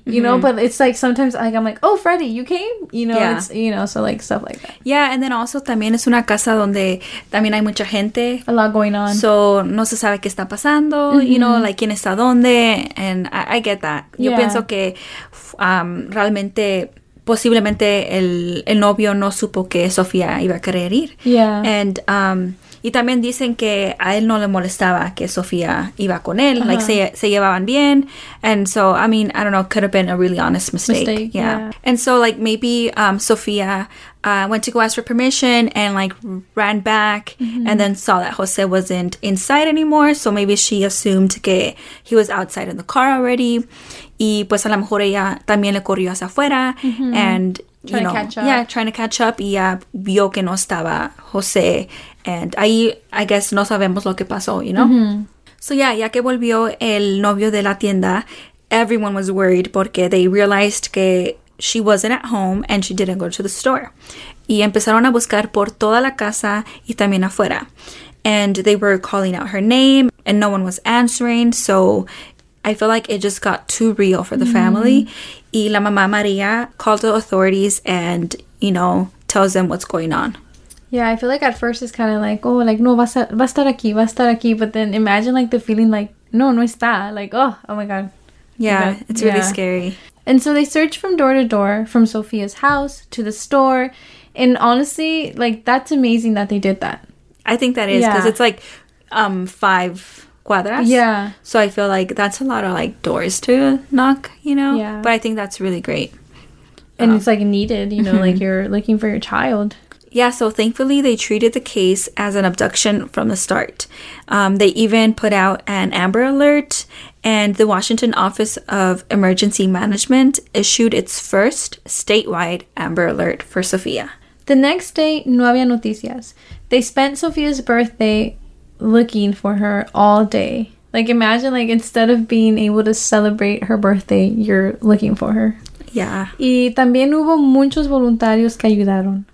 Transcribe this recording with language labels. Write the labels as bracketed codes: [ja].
[en] You know, but it's, like, sometimes, like, I'm like, oh, Freddy, you came? You know, it's, you know, so, like, stuff like that. Yeah, and then also, [es] también es una casa donde también hay mucha gente. A lot going on. So no se sabe qué está pasando, you know, like, quién está dónde. [en] And I get that. [es] Yo pienso que realmente... Posiblemente el novio no supo que Sofía iba a querer ir. [en] Yeah. [es] And, y también dicen que a él no le molestaba que Sofía iba con él. Uh-huh. Like, se llevaban bien. [en] And so, I mean, I don't know, could have been a really honest mistake. And so, like, maybe Sofía went to go ask for permission and, like, ran back and then saw that Jose wasn't inside anymore. So maybe she assumed que he was outside in the car already. [es] Y pues a lo mejor ella también le corrió hacia afuera and, [en] you know, trying to catch up. [es] Y ya vio que no estaba Jose. And ahí, [en] I guess, [es] no sabemos lo que pasó, you know? [en] So yeah, [es] ya que volvió el novio de la tienda, [en] everyone was worried porque they realized que she wasn't at home and she didn't go to the store. [es] Y empezaron a buscar por toda la casa y también afuera. [en] And they were calling out her name and no one was answering, so... I feel like it just got too real for the family. [es] Y la mamá María [en] called the authorities and, you know, tells them what's going on. Yeah, I feel like at first it's kind of like, oh, like, [es] no, va a estar aquí, va a estar aquí. [en] But then imagine, like, the feeling like, [es] no, no está. [en] Like, oh, oh my God. Yeah, it's really scary. And so they search from door to door, from Sophia's house to the store. And honestly, like, that's amazing that they did that. I think that is, because it's like 5 cuadras. Yeah. So I feel like that's a lot of like doors to knock, you know? Yeah. But I think that's really great. And it's like needed, you know, like you're looking for your child. Yeah, so thankfully they treated the case as an abduction from the start. They even put out an Amber Alert, and the Washington Office of Emergency Management issued its first statewide Amber Alert for Sophia. The next day, [es] no había noticias. [en] They spent Sophia's birthday looking for her all day. Like, imagine, like, instead of being able to celebrate her birthday, you're looking for her. Yeah. [es] Y también hubo muchos voluntarios que ayudaron.